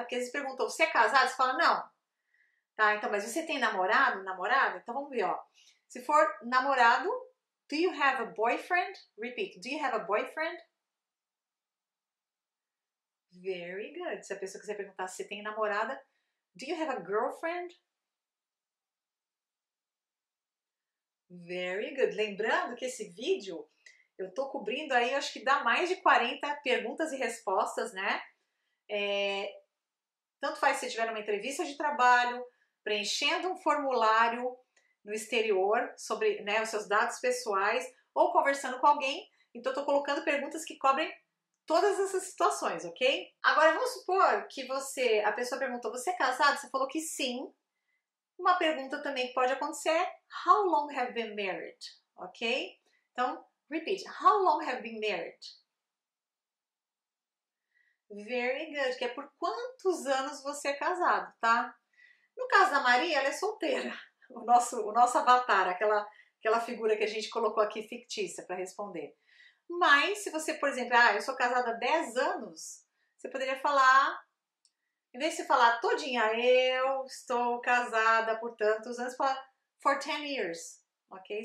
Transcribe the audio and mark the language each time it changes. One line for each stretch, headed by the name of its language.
Portuguese: Porque eles perguntam: Você é casado? Você fala: Não. Tá, então, mas você tem namorado, namorada? Então vamos ver, ó. Se for namorado,
English: do you have a boyfriend? Repeat, do you have a boyfriend? Very good.
Portuguese: Se a pessoa quiser perguntar se tem namorada,
English: do you have a girlfriend? Very good.
Portuguese: Lembrando que esse vídeo eu tô cobrindo aí, acho que dá mais de 40 perguntas e respostas, né? Tanto faz se tiver uma entrevista de trabalho, preenchendo um formulário no exterior sobre, né, os seus dados pessoais ou conversando com alguém. Então, estou colocando perguntas que cobrem todas essas situações, ok? Agora, vamos supor que a pessoa perguntou: Você é casado? Você falou que sim. Uma pergunta também que pode acontecer é:
English: How long have been married?
Portuguese: Ok? Então,
English: repeat: How long have been married? Very good.
Portuguese: Que é por quantos anos você é casado, tá? No caso da Maria, ela é solteira. O nosso avatar, aquela figura que a gente colocou aqui fictícia para responder. Mas se você, por exemplo, eu sou casada há 10 anos, você poderia falar, em vez de falar todinha, eu estou casada por tantos anos, falar
English: for 10 years,
Portuguese: ok?